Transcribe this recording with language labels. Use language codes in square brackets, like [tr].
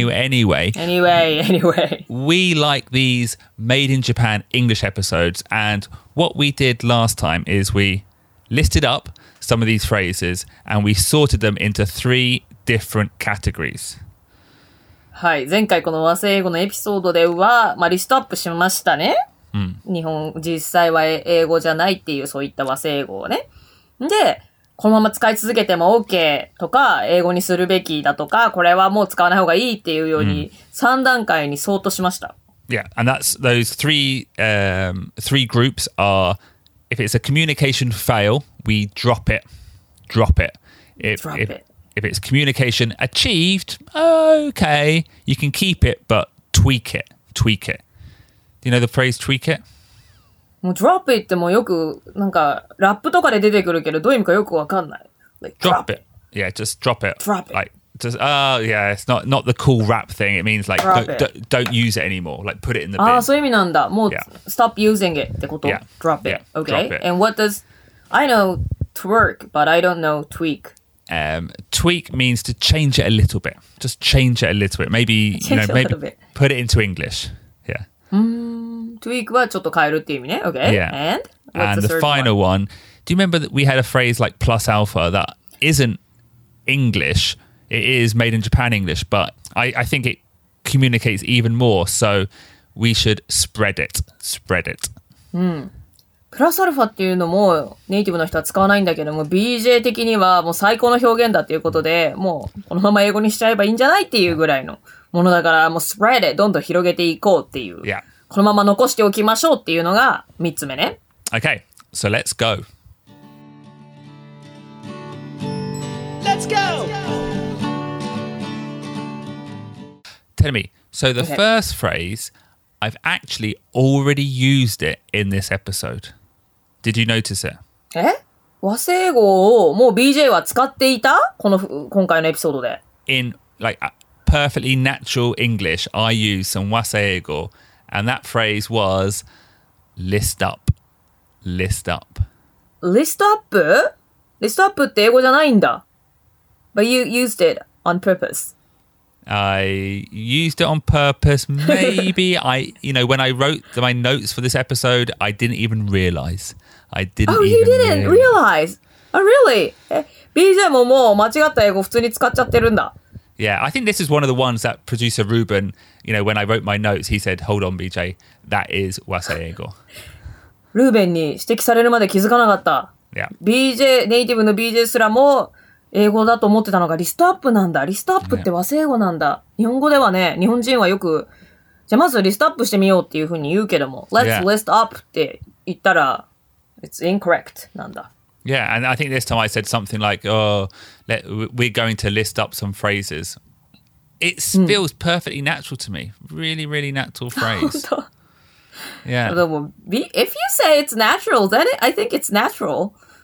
[en] Anyway. We like these Made in Japan English episodes. And what we did last time is we listed up some of these phrases and we sorted them into three different categories. [ja] はい、前回この和製英語のエピソードでは、まあ、リストアップしましたね。うん、日本実際は英語じゃないっていうそういった和製英語をね。で、このまま使い続けても OK とか、英語にするべきだとか、これはもう使わない方がいいっていうように、うん、3段階に相当しました。 [en] Yeah, and that's those three groups are, if it's a communication fail, we drop it. Drop it. If it's communication achieved, okay, you can keep it, but tweak it. Tweak it. Do you know the phrase tweak it? [ja] もう drop it ってもよくなんかラップとかで出てくるけどどういう意味かよくわかんない。 [en] Like, drop it. Yeah, just drop it. Drop it. Like, just, yeah, it's not the cool rap thing. It means like, don't use it anymore. Like, put it in the bin. [ja] ああ、そういう意味なんだ。もう、yeah. [en] stop using it [ja] ってこと。 [en] Yeah. Drop it. Yeah. Okay. Drop it. And what does, I know twerk, but I don't know tweak. Tweak means to change it a little bit. Just change it a little bit. Maybe, you know, maybe put it into English. Yeah. [ja] Tweak はちょっと変えるっていう意味ね。Okay. [en] Yeah. And the final one. Do you remember that we had a phrase like plus alpha that isn't English? It is made in Japan English, but I think it communicates even more. So we should spread it. Spread it. [ja] プラスアルファっていうのもネイティブの人は使わないんだけども、BJ 的にはもう最高の表現だっていうことで、もうこのまま英語にしちゃえばいいんじゃないっていうぐらいのものだから、もう spread it、どんどん広げていこうっていう。 [en] Yeah. [ja] このまま残しておきましょうっていうのが3つ目ね。 [en] Okay, so let's go. Let's go! Tell me, so the okay. first phrase, I've actually already used it in this episode. Did you notice it? [ja] え? 和製英語をもう BJ は使っていた?この今回のエピソードで。 [en] In like perfectly natural English, I use some 和製英語。 And that phrase was list up. List up. [ja] List up? List up って英語じゃないんだ。 [en] But you used it on purpose. I used it on purpose. Maybe I, you know, when I wrote my notes for this episode, I didn't even realize. I didn't realize. Oh, you didn't realize? Oh, really? [ja] BJ ももう間違った英語普通に使っちゃってるんだ。 [en] Yeah, I think this is one of the ones that producer Ruben, you know, when I wrote my notes, he said, hold on, BJ, that is 和製英語. [ja] Ruben に指摘されるまで気づかなかった。 [en] Yeah. [ja] BJ, ネイティブの BJ すらも英語だと思ってたのがリストアップなんだ。リストアップって和製英語なんだ。 [en] Yeah. [ja] 日本語ではね、日本人はよく、じゃあまずリストアップしてみようっていうふうに言うけども、 [en] Let's、 [ja] yeah. list up って言ったら、 [en] it's incorrect [ja] なんだ。 [en] Yeah, and I think this time I said something like, oh, we're going to list up some phrases. It feels perfectly natural to me. Really, really natural phrase. Yeah. If you say it's natural, then I think it's natural.